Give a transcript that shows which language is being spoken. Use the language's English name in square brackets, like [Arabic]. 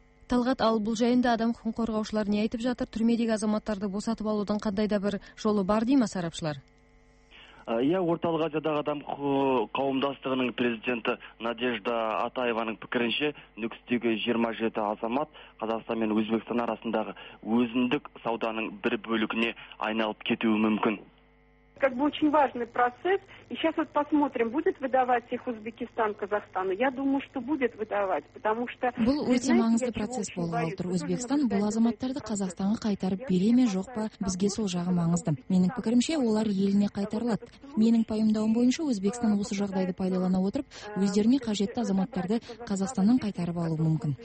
[Kazakh] Талғат, ал бұл жайында адам құқығын қорғаушылар не айтып жатыр? Түрмедегі азаматтарды босатып алудың қандай да бір жолы бар дей ма сарапшылар? Орталық Азиядағы адам қауымдастығының президенті Надежда Атаеваның пікірінше, Нүкістегі 27 азамат Қазақстан мен Өзбекстан арасындағы өзіндік сауданың бір бөлігіне айналып кетуі мүмкін. [Russian] Как бы очень важный процесс, и сейчас вот посмотрим, будет выдавать их Узбекистан Казахстану. Я думаю, что будет выдавать, потому что [Kazakh] бұл өте маңызды процесс болған отыр. Өзбекстан бұл азаматтарды Қазақстанға қайтарып бере ме жоқ па, бізге сол жағы маңызды. Менің пікірімше, олар еліне қайтарылады. Менің пайымдауым бойынша, Өзбекстан осы жағдайды пайдалана отырып, өздеріне қажетті азаматтарды Қазақстаннан қайтарып алуы мүмкін.